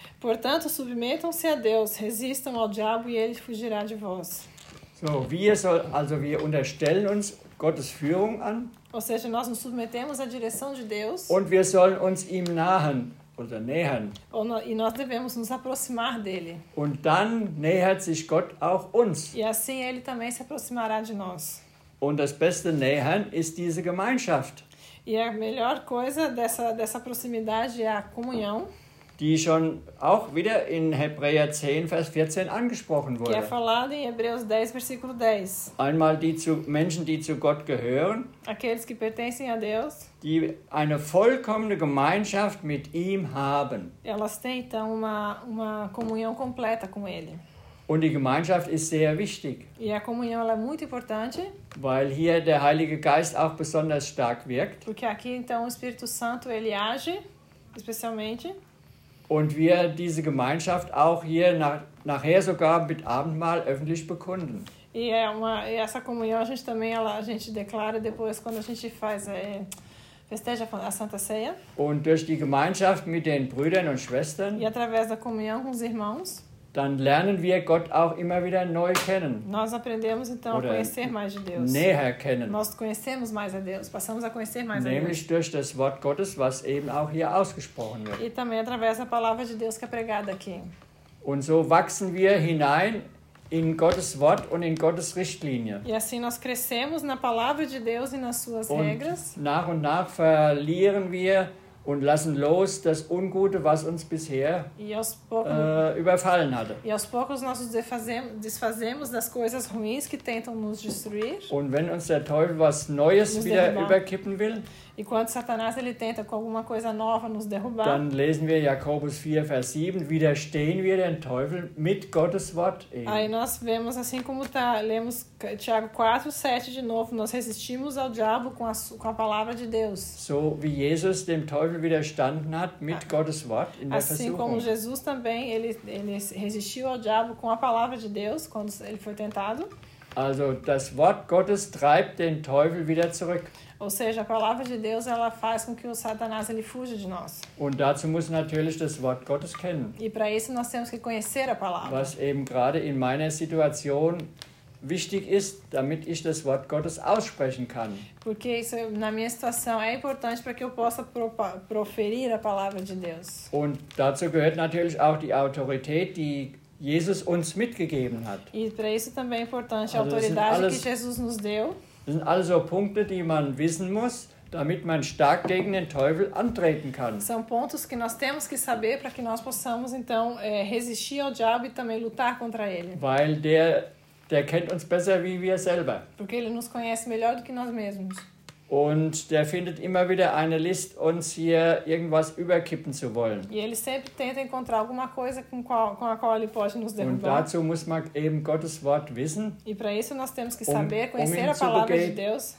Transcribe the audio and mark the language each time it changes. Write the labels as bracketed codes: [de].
[pt] Portanto, submetam-se a Deus, resistam ao diabo e ele fugirá de vós. [de] So, wir unterstellen uns Gottes Führung an. [pt] Ou seja, nós nos submetemos à direção de Deus. [de] Und wir sollen uns ihm nahen. Oder nähern. [pt] E nós devemos nos aproximar dele. [de] Und dann nähert sich Gott auch uns. [pt] E assim ele também se aproximará de nós. [de] Und das beste nähern ist diese Gemeinschaft. [pt] E a melhor coisa dessa proximidade é a comunhão. [de] Die schon auch wieder in Hebräer 10, Vers 14 angesprochen wurde. [pt] Que é falado em Hebreus 10, versículo 10. [de] Einmal die zu Menschen, die zu Gott gehören. [pt] Aqueles que pertencem a Deus. [de] Die eine vollkommene Gemeinschaft mit ihm haben. [pt] Elas têm, então, uma comunhão completa com ele. [de] Und die Gemeinschaft ist sehr wichtig. [pt] E a comunhão ela é muito importante. [de] Weil hier der Heilige Geist auch besonders stark wirkt. [pt] Porque aqui então o Espírito Santo ele age especialmente. [de] Und wir diese Gemeinschaft auch hier nachher sogar mit Abendmahl öffentlich bekunden. [pt] E é uma e essa comunhão a gente também ela a gente declara depois quando a gente faz festeja a Santa Ceia. [de] Und durch die Gemeinschaft mit den Brüdern und Schwestern. [pt] E através da comunhão com os irmãos. [de] Dann lernen wir Gott auch immer wieder neu kennen. [pt] Nós aprendemos então a conhecer mais de Deus. [de] Näher kennen. [pt] Nós conhecemos mais a Deus, passamos a conhecer mais a Deus. [de] Nämlich durch das Wort Gottes, was eben auch hier ausgesprochen wird. [pt] E também através da palavra de Deus que é pregada aqui. [de] Und so wachsen wir hinein in Gottes Wort und in Gottes Richtlinie. [pt] E assim nós crescemos na palavra de Deus e nas suas regras. [de] Nach und nach verlieren wir und lassen los das Ungute, was uns bisher überfallen hatte. [pt] E aos poucos nós desfazemos das coisas ruins que tentam nos destruir. [de] Und wenn uns der Teufel was Neues wieder überkippen will, [pt] e quando Satanás ele tenta com alguma coisa nova nos derrubar, [de] dann lesen wir Jakobus 4, Vers 7, widerstehen wir den Teufel mit Gottes Wort. Eben. [pt] Aí nós vemos assim como tá, lemos Tiago 4, 7 de novo, nós resistimos ao diabo com a palavra de Deus. [de] So wie Jesus dem Teufel widerstanden hat mit Gottes Wort in der Versuchung. [pt] Assim como Jesus também, ele resistiu ao diabo com a palavra de Deus quando ele foi tentado. [de] Also das Wort Gottes treibt den Teufel wieder zurück. [pt] Ou seja, a palavra de Deus ela faz com que o Satanás ele fuja de nós. [de] Und dazu muss natürlich das Wort Gottes kennen. [pt] E para isso nós temos que conhecer a palavra. [de] Was eben gerade in meiner Situation wichtig ist, damit ich das Wort Gottes aussprechen kann. [pt] Porque isso na minha situação é importante para que eu possa proferir a palavra de Deus. [de] Und dazu gehört natürlich auch die Autorität, die Jesus uns mitgegeben hat. [pt] E para isso também é importante a autoridade que Jesus nos deu. [de] Das sind also Punkte, die man wissen muss, damit man stark gegen den Teufel antreten kann. [pt] São pontos que nós temos que saber para que nós possamos então resistir ao diabo e também lutar contra ele. [de] Weil der kennt uns besser wie wir selber. [pt] Porque ele nos conhece melhor do que nós mesmos. [de] Und der findet immer wieder eine List, uns hier irgendwas überkippen zu wollen. [pt] E ele sempre tenta encontrar alguma coisa com a qual ele pode nos derrubar. [de] Und dazu muss man eben Gottes Wort wissen. [pt] E para isso nós temos que saber conhecer a palavra de Deus.